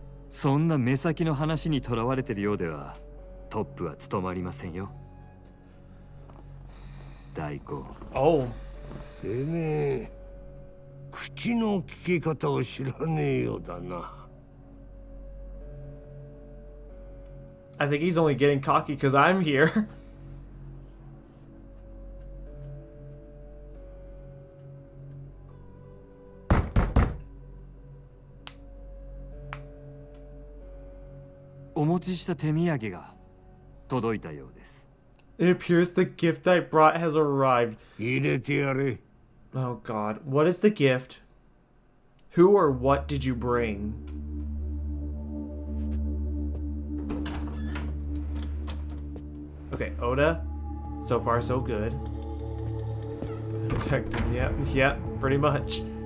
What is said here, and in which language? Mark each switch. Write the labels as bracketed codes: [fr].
[ja] そんな目先の話にとらわれてるようではトップは務まりませんよ。大工。おう。てめえ口の聞き方を知らねえようだな。 [en] I think he's only getting cocky because I'm here. [ja] お持ちした手土産が届いたようです。 [en] It appears the gift I brought has arrived. [ja] 入れてやれ。 [en] Oh God, what is the gift? Who or what did you bring? Okay, Oda. So far, so good. Detective, yep, pretty much.